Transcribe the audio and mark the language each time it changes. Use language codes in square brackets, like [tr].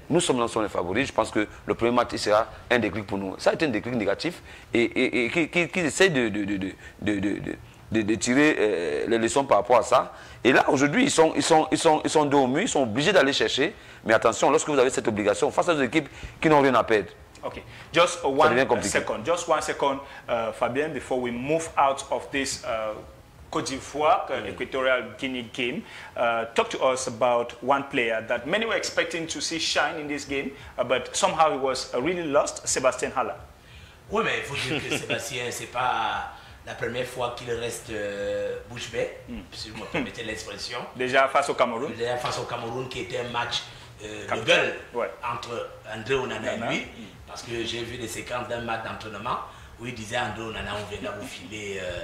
[fr] Nous sommes lancés les favoris, je pense que le premier match sera un déclic pour nous. Ça a été un déclic négatif et qui essaie de tirer les leçons par rapport à ça. Et là, aujourd'hui, ils sont dos au mur, ils sont obligés d'aller chercher. Mais attention, lorsque vous avez cette obligation, face à des équipes qui n'ont rien à perdre. [en] Ok, just one second, Fabien, before we move out of this Côte d'Ivoire, Equatorial Guinea game, talk to us about one player that many were expecting to see shine in this game, but somehow he was really lost, Sébastien Haller. [fr] Oui, mais il faut dire que Sébastien, ce n'est pas la première fois qu'il reste bouche bée, si vous me permettez l'expression. Déjà face au Cameroun. Déjà face au Cameroun, qui était un match de gueule entre André Onana et lui. Parce que j'ai vu des séquences d'un match d'entraînement où il disait André Onana, on vient là vous filer